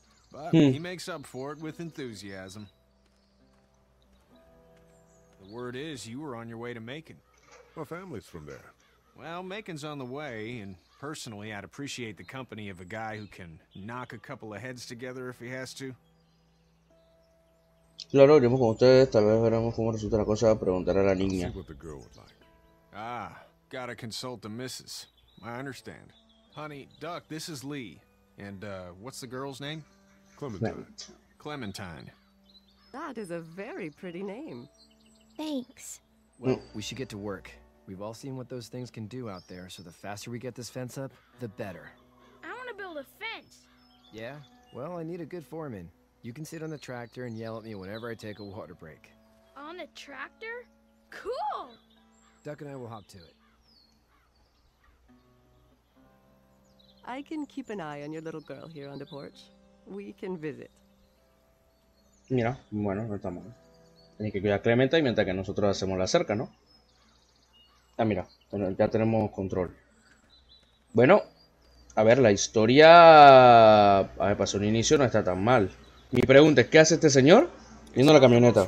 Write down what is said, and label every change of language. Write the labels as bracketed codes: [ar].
[en] But he makes up for it with enthusiasm. The word is, you were on your way to Macon. My family's from there. Well, Macon's on the way, and personally, I'd appreciate the company of a guy who can knock a couple of heads together if he has to. [es] Claro, iremos con ustedes, tal vez veremos cómo resulta la cosa, preguntar a la niña. [en] Ah, gotta consult the missus. I understand. Honey, Duck, this is Lee. And, what's the girl's name? Clementine. Clementine. That is a very pretty name. Thanks. Well, we should get to work. We've all seen what those things can do out there, so the faster we get this fence up, the better. I want to build a fence. Yeah? Well, I need a good foreman. You can sit on the tractor and yell at me whenever I take a water break. On the tractor? Cool! Duck and I will hop to it. I can keep an eye on your little girl here on the porch. We can visit. [es] Mira, bueno, no está mal. Tienes que cuidar a Clementa y mientras que nosotros hacemos la cerca, ¿no? Ah, mira, ya tenemos control. Bueno, a ver, la historia... A ver, pasó un inicio, no está tan mal. Mi pregunta es, ¿qué hace este señor? Viendo la camioneta.